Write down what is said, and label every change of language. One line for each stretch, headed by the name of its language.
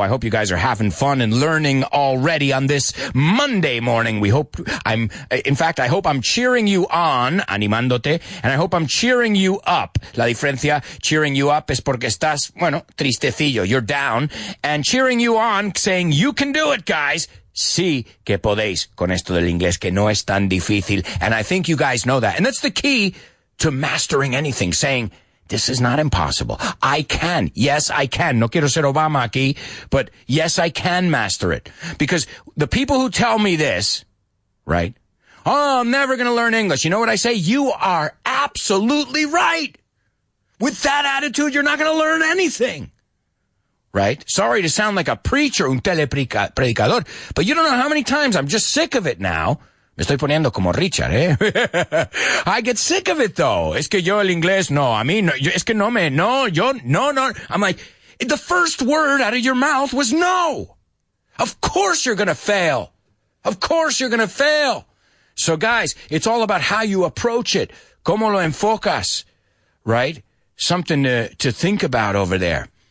English: I hope you guys are having fun and learning already on this Monday morning. We hope I'm, in fact, I hope I'm cheering you on,
Spanish: animándote,
English: and I hope I'm cheering you up.
Spanish: La diferencia,
English: cheering you up
Spanish: es porque estás, bueno, tristecillo.
English: You're down. And cheering you on, saying you can do it, guys.
Spanish: Sí, que podéis con esto del inglés, que no es tan difícil.
English: And I think you guys know that. And that's the key to mastering anything, saying, this is not impossible. I can. Yes, I can.
Spanish: No quiero ser Obama aquí,
English: but yes, I can master it. Because the people who tell me this, right? Oh, I'm never going to learn English. You know what I say? You are absolutely right. With that attitude, you're not going to learn anything. Right? Sorry to sound like a preacher,
Spanish: un telepredicador,
English: but you don't know how many times I'm just sick of it now.
Spanish: Me estoy poniendo como Richard, eh?
English: I get sick of it, though.
Spanish: Es que yo el inglés, no, a mí, no, es que no me, no, yo, no, no.
English: I'm like, the first word out of your mouth was no. Of course you're going to fail. Of course you're going to fail. So, guys, it's all about how you approach it.
Spanish: Cómo lo enfocas,
English: right? Something to think about over there.